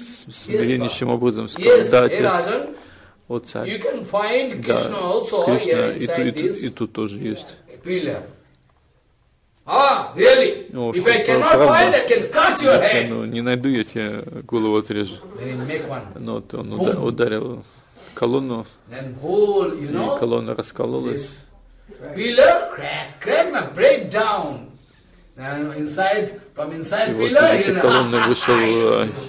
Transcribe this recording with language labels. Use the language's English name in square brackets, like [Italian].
[Russian] смиреннейшим образом сказал, да, отец, о царь. [English] You can find Krishna also here inside this. [Russian] И тут тоже есть. [English] Pillar. Ah, really? Oh, if I cannot find, I can cut your head. [Russian] Ну, не найду, я тебе голову отрежу. Ну, вот он ударил колонну, и колонна раскололась. И вот из этой колонны вышел